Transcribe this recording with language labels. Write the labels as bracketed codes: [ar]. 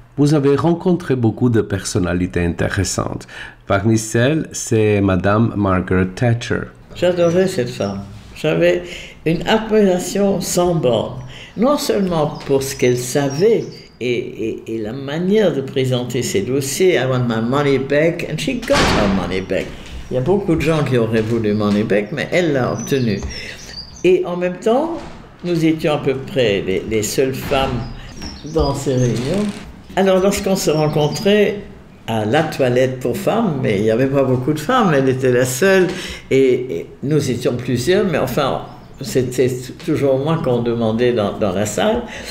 [fr] Vous avez rencontré beaucoup de personnalités intéressantes. Parmi celles, c'est Madame Margaret Thatcher. J'adorais cette femme. J'avais une admiration sans bornes. Non seulement pour ce qu'elle savait et la manière de présenter ses dossiers. [en] I want my money back and she got her money back. [fr] Il y a beaucoup de gens qui auraient voulu [en] money back, [fr] mais elle l'a obtenu. Et en même temps, nous étions à peu près les seules femmes dans ces réunions. Alors, lorsqu'on se rencontrait à la toilette pour femmes, mais il n'y avait pas beaucoup de femmes, elle était la seule, et nous étions plusieurs, mais enfin, c'était toujours moi qu'on demandait dans la salle.